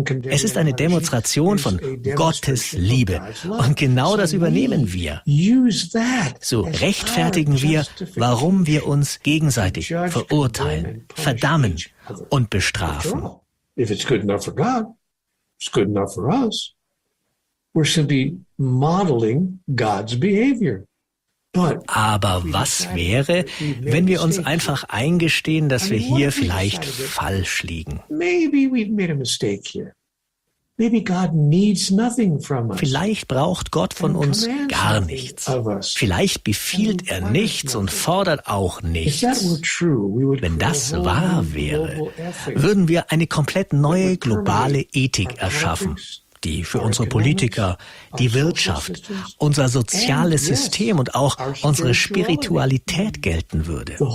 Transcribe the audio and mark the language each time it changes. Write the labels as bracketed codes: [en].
[de] Es ist eine Demonstration von Gottes Liebe. Und genau das übernehmen wir. So rechtfertigen wir, warum wir uns gegenseitig verurteilen, verdammen und bestrafen. [en] It's good enough for us. We're simply modeling God's behavior. [de] Aber was wäre, wenn wir uns einfach eingestehen, dass wir hier vielleicht falsch liegen? [en] Maybe we've made a mistake here. Maybe God needs nothing from us. [de] Vielleicht braucht Gott von uns gar nichts. Vielleicht befiehlt er nichts und fordert auch nichts. Wenn das wahr wäre, würden wir eine komplett neue globale Ethik erschaffen, die für unsere Politiker, die Wirtschaft, unser soziales System und auch unsere Spiritualität gelten würde.